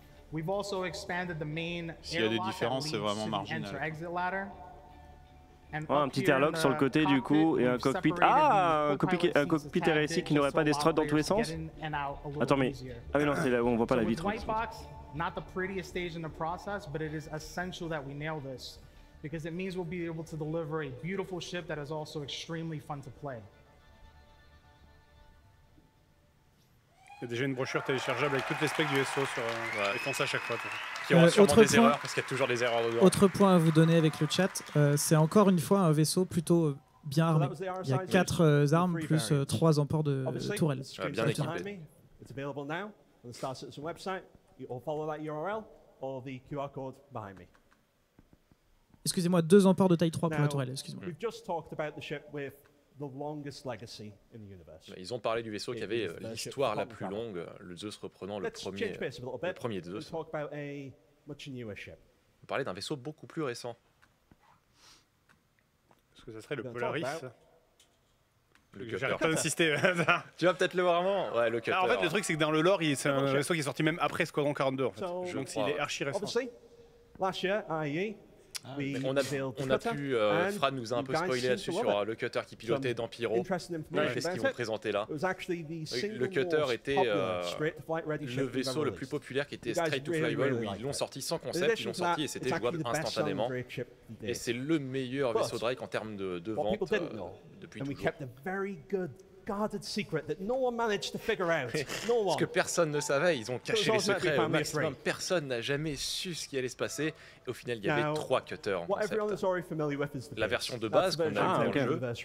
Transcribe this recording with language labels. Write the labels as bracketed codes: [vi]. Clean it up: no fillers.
[en] We've also expanded the main. [fr] S'il y a des différences, c'est vraiment marginal. Voilà, un petit airlock sur le côté du coup et un cockpit. Ah, un cockpit RSI qui n'aurait pas des struts dans tous les sens. Attends, mais. Ah, mais non, c'est là où on voit pas la vitre. [en] Not the prettiest stage in the process, but it is essential that we nail this because it means we'll be able to deliver a beautiful ship that is also extremely fun to play. [fr] Il y a déjà une brochure téléchargeable avec toutes les specs du vaisseau sur Et pense à chaque fois. Qui aura sûrement des erreurs parce qu'il y a toujours des erreurs dedans. Autre point à vous donner avec le chat, c'est encore une fois un vaisseau plutôt bien armé. Il y a 4 armes plus 3 emports de tourelles. Bien équipé. [en] It's available now on the Star Citizen website. Or follow that URL or the QR code behind me. [fr] Excusez-moi, 2 emports de taille 3 pour la tourelle, excusez-moi. [en] We've just talked about the ship with the longest legacy in the universe. [fr] Ils ont parlé du vaisseau qui avait l'histoire la plus longue, le Zeus reprenant le premier Zeus. [en] Let's talk about a much newer ship. [fr] On parlait d'un vaisseau beaucoup plus récent. Est-ce que ça serait le Polaris? J'arrête pas d'insister. Tu vas peut-être le voir avant. Ouais, le cutter. En fait, le truc, c'est que dans le lore, c'est un vaisseau qui est sorti même après Squadron 42. En fait. Donc, il est archi récent. [en] Last year, IE, [fr] Fran nous a un peu spoilé là-dessus sur le cutter qui pilotait d'Empiro. Qu'est-ce qu'ils vont présenter là? Le cutter était le vaisseau le plus populaire qui était Straight to Flyable, où ils l'ont sorti sans concept, ils l'ont sorti et c'était jouable instantanément. Et c'est le meilleur vaisseau Drake en termes de vente. [en] And we kept a very good guarded secret that no one managed to figure out. No one. [fr] Ce que personne ne savait, ils ont caché les secrets au maximum. Personne n'a jamais su ce qui allait se passer. Au final, il y avait 3 cutters en concept. La version de base qu'on a dans le jeu.